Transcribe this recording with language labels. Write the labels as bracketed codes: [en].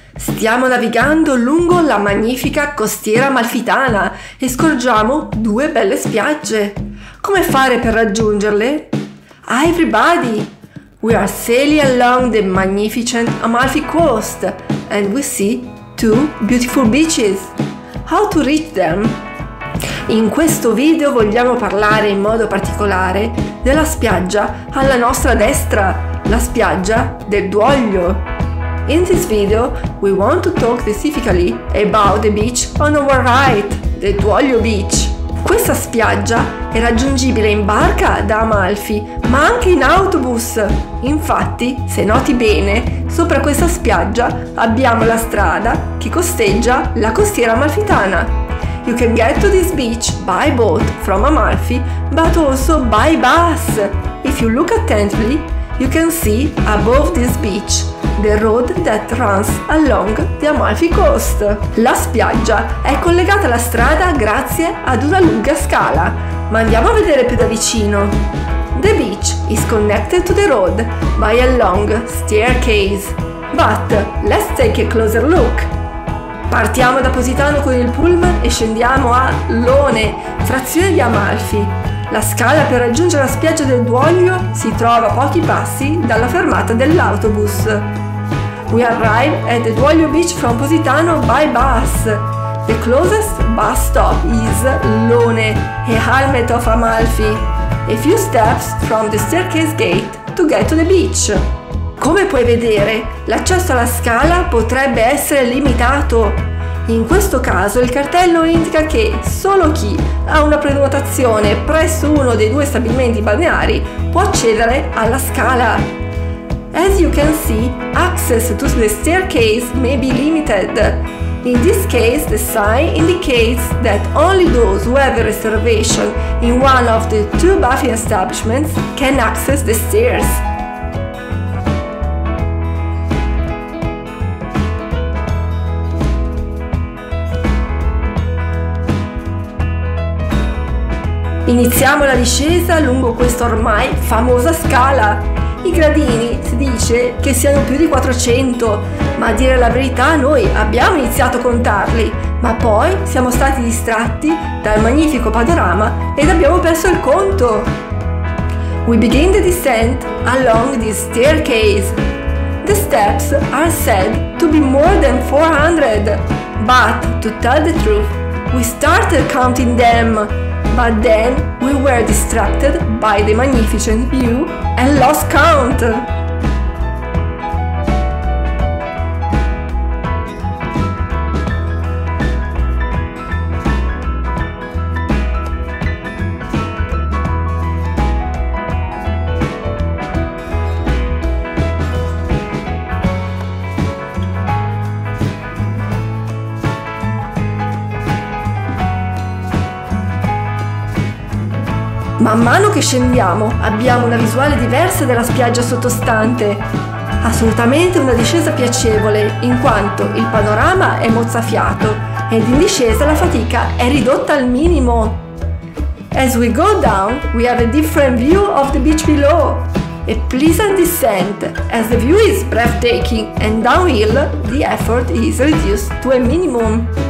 [it] Stiamo navigando lungo la magnifica costiera amalfitana e scorgiamo due belle spiagge. Come fare per raggiungerle? [en] Hi everybody! We are sailing along the magnificent Amalfi Coast and we see two beautiful beaches. How to reach them? [it] In questo video vogliamo parlare in modo particolare della spiaggia alla nostra destra, la spiaggia del Duoglio. [en] In this video, we want to talk specifically about the beach on our right, the Duoglio Beach. [it] Questa spiaggia è raggiungibile in barca da Amalfi, ma anche in autobus. Infatti, se noti bene, sopra questa spiaggia abbiamo la strada che costeggia la costiera amalfitana. [en] You can get to this beach by boat from Amalfi, but also by bus. If you look attentively, you can see above this beach the road that runs along the Amalfi Coast. [it] La spiaggia è collegata alla strada grazie ad una lunga scala, ma andiamo a vedere più da vicino. [en] The beach is connected to the road by a long staircase, but let's take a closer look. [it] Partiamo da Positano con il pullman e scendiamo a Lone, frazione di Amalfi. La scala per raggiungere la spiaggia del Duoglio si trova a pochi passi dalla fermata dell'autobus. [en] We arrive at the Duoglio Beach from Positano by bus. The closest bus stop is Lone, a hamlet of Amalfi, a few steps from the staircase gate to get to the beach. [it] Come puoi vedere, l'accesso alla scala potrebbe essere limitato. In questo caso il cartello indica che solo chi ha una prenotazione presso uno dei due stabilimenti balneari può accedere alla scala. [en] As you can see, access to the staircase may be limited. In this case, the sign indicates that only those who have a reservation in one of the two buffet establishments can access the stairs. [it] Iniziamo la discesa lungo questa ormai famosa scala. I gradini si dice che siano più di 400, ma a dire la verità noi abbiamo iniziato a contarli, ma poi siamo stati distratti dal magnifico panorama ed abbiamo perso il conto. [en] We begin the descent along this staircase. The steps are said to be more than 400, but to tell the truth, we started counting them. But then we were distracted by the magnificent view and lost count. [it] Man mano che scendiamo abbiamo una visuale diversa della spiaggia sottostante. Assolutamente una discesa piacevole, in quanto il panorama è mozzafiato ed in discesa la fatica è ridotta al minimo. [en] As we go down, we have a different view of the beach below. A pleasant descent, as the view is breathtaking, and downhill the effort is reduced to a minimum.